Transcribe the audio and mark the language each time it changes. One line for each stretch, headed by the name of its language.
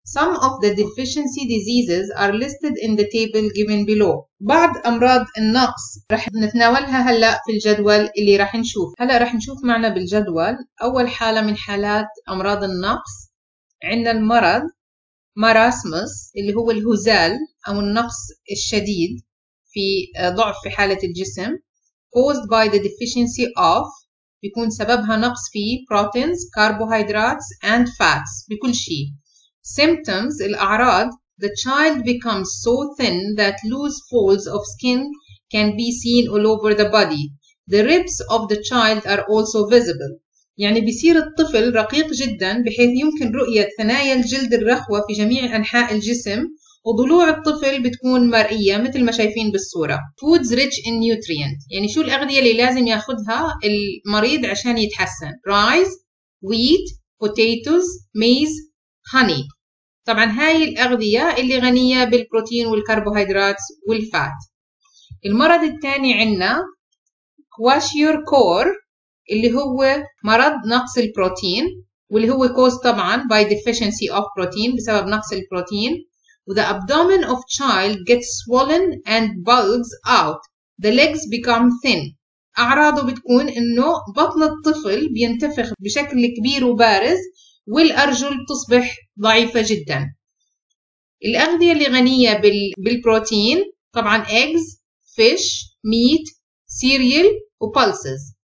English: Some of the deficiency diseases are listed in the table given below.
Arabic: بعض أمراض النقص رح نتناولها هلأ في الجدول اللي رح نشوف. هلأ رح نشوف معنا بالجدول أول حالة من حالات أمراض النقص. عندنا المرض ماراسموس اللي هو الهزال أو النقص الشديد في ضعف في حالة الجسم
English: caused by the deficiency of
Arabic: بيكون سببها نقص في
English: proteins, carbohydrates and fats
Arabic: بكل شيء.
English: Symptoms الأعراض the child becomes so thin that loose folds of skin can be seen all over the body. The ribs of the child are also visible.
Arabic: يعني بيصير الطفل رقيق جدا بحيث يمكن رؤية ثنايا الجلد الرخوة في جميع أنحاء الجسم وضلوع الطفل بتكون مرئية مثل ما شايفين بالصورة.
English: Foods rich in nutrients
Arabic: يعني شو الأغذية اللي لازم ياخدها المريض عشان يتحسن.
English: Rice, wheat, potatoes, maize, honey.
Arabic: طبعا هاي الأغذية اللي غنية بالبروتين والكربوهيدرات والفات. المرض الثاني عندنا كواشيور كور اللي هو مرض نقص البروتين واللي هو caused طبعا
English: by deficiency of protein
Arabic: بسبب نقص البروتين.
English: The abdomen of child gets swollen and bulges out. The legs become thin.
Arabic: أعراضه بتكون إنه بطن الطفل بينتفخ بشكل كبير وبارز والأرجل بتصبح ضعيفة جدا. الأغذية اللي غنية بالبروتين طبعا
English: eggs, fish, meat, cereal
Arabic: وpulses.